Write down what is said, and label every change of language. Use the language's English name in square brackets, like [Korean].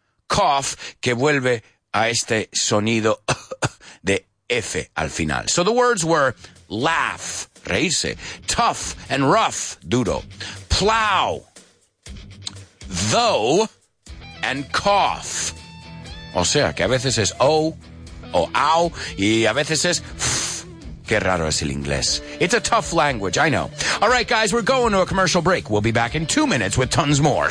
[Spanish] Cough, que vuelve a este sonido de F al final. [English] So the words were laugh, reírse, tough and rough, duro. Plow, though, and cough. [Spanish] O sea, que a veces es o, o au, y a veces es f. Qué raro es el inglés. [English] It's a tough language, I know. All right, guys, we're going to a commercial break. We'll be back in 2 minutes with tons more.